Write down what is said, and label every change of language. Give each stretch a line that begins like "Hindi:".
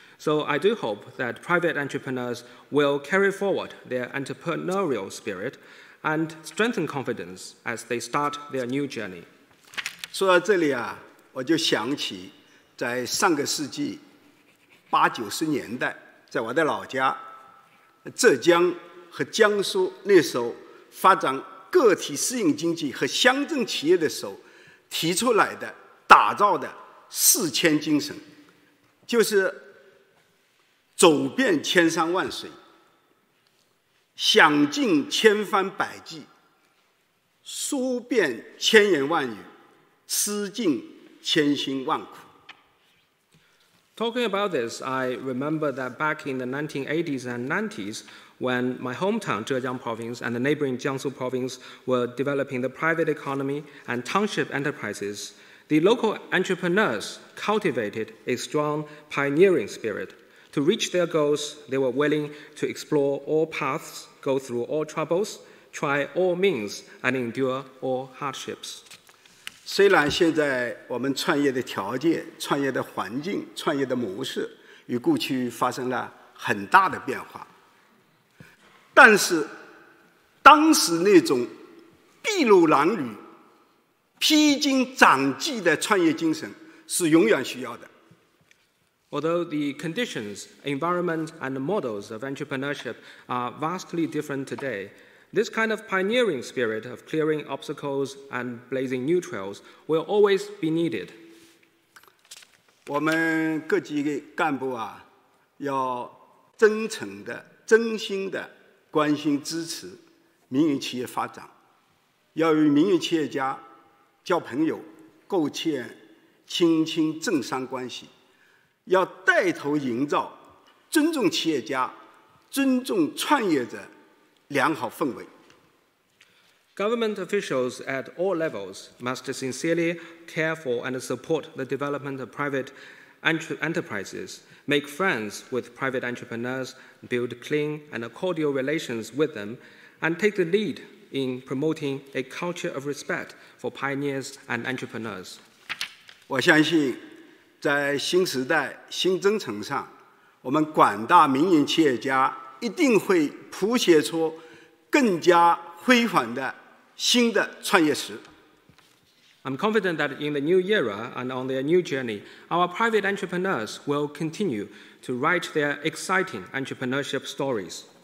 English: So I do hope that private entrepreneurs will carry forward their entrepreneurial spirit and strengthen confidence as they start their new journey.
Chinese: 说到这里啊，我就想起在上个世纪八九十年代，在我的老家浙江和江苏那时候发展个体私营经济和乡镇企业的时候提出来的打造的四千精神，就是走遍千山万水，想尽千方百计，说遍千言万语，吃尽千辛万苦。
English: Talking about this, I remember that back in the 1980s and 90s, when my hometown Zhejiang Province and the neighboring Jiangsu Province were developing the private economy and township enterprises, the local entrepreneurs cultivated a strong pioneering spirit. To reach their goals, they were willing to explore all paths, go through all troubles, try all means, and endure all hardships.
Chinese: 虽然现在我们创业的条件、创业的环境、创业的模式与过去发生了很大的变化，但是当时那种筚路蓝缕、披荆斩棘的创业精神是永远需要的。
English: Although the conditions, environment, and models of entrepreneurship are vastly different today, this kind of pioneering spirit of clearing obstacles and blazing new trails will always be needed.
Chinese: 我们各级干部啊，要真诚的、真心的关心支持民营企业发展，要与民营企业家交朋友，构建亲亲政商关系。要带头营造尊重企业家、尊重创业者良好氛围。
English: Government officials at all levels must sincerely care for and support the development of private enterprises, make friends with private entrepreneurs, build clean and cordial relations with them, and take the lead in promoting a culture of respect for pioneers and entrepreneurs.
Chinese: 我相信在新时代、新征程上，我们广大民营企业家一定会谱写出更加辉煌的新的创业史。
English: I'm confident that in the new era and on their new journey, our private entrepreneurs will continue to write their exciting entrepreneurship stories.